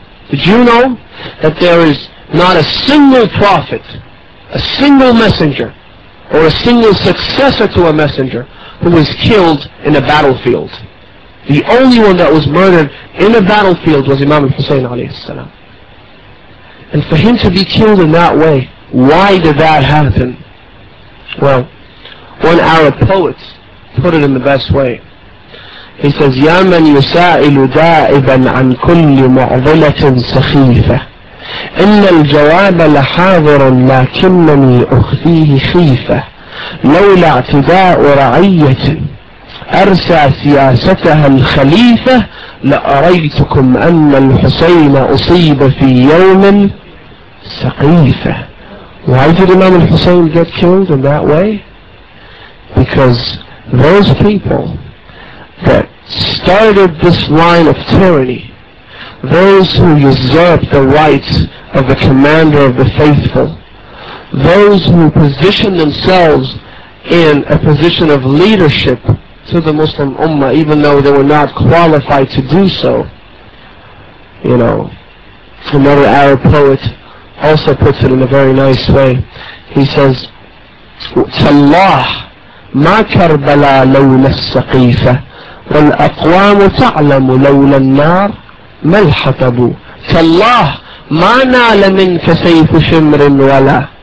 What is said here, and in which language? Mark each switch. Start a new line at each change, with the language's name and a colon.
English: Did you know that there is not a single Prophet, a single messenger, or a single successor to a messenger who was killed in a battlefield? The only one that was murdered in a battlefield was Imam Hussein alayhi salam. And for him to be killed in that way, why did that happen? Well, one Arab poet put it in the best way. He says,
Arabic: يَا مَنْ يُسَائِلُ دَائِبًا عَنْ كُلِّ مُعْضِلَةٍ سَخِيفَةٍ إِنَّ الْجَوَابَ لَحَاضِرٌ لَكِنَّنِي أُخْفِيهِ خِيفَةٌ لَوْلَا اعْتِدَاءُ رَعِيَّةٍ أَرْسَى سِيَاسَتَهَا الْخَلِيفَةُ لَأَرَيْتُكُمْ أَنَّ الْحُسَيْنَ أُصِيبَ فِي يَوْمٍ سَقِيفَةٍ
English: Why did Imam al-Husayn get killed in that way? Because those people that started this line of tyranny, those who usurped the rights of the commander of the faithful, those who positioned themselves in a position of leadership to the Muslim Ummah, even though they were not qualified to do so. You know, another Arab poet also puts it in a very nice way. He says,
Arabic: تَاللَّهِ مَا كَرْبَلَا لَوْلَ السَّقِيفَةِ وَالْأَقْوَامُ تَعْلَمُ لَوْلَ النَّارِ مَلْحَطَبُ تَاللَّهِ مَا نَالَ مِنْكَ سَيْفُ شِمْرٍ وَلَا